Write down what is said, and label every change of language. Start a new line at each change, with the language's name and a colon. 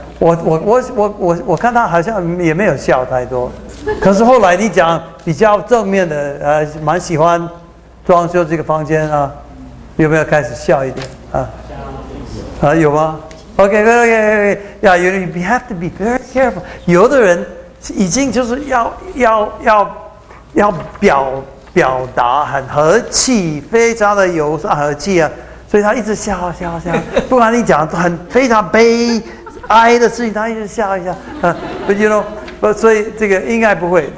Chinese: 我看他好像也没有笑太多。可是后来你讲比较正面的，蛮喜欢装修这个房间啊，有没有开始笑一点啊？啊，有吗
English: ？OK，yeah， you have to be very careful。
Chinese: 有的人。已经就是要表达很和气，非常的友善和气啊，所以他一直笑，不管你讲很非常悲哀的事情，他一直笑一下啊。
English: But you know，
Chinese: 所以这个应该不会。